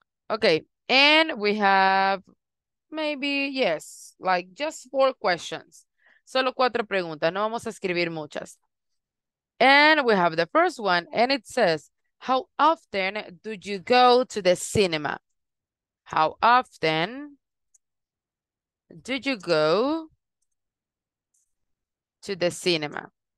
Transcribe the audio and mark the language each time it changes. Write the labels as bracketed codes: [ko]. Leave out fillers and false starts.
[en] Okay, and we have maybe, yes, like just four questions. [es] Solo cuatro preguntas, no vamos a escribir muchas. [en] And we have the first one, and it says, how often do you go to the cinema? How often did you go to the cinema?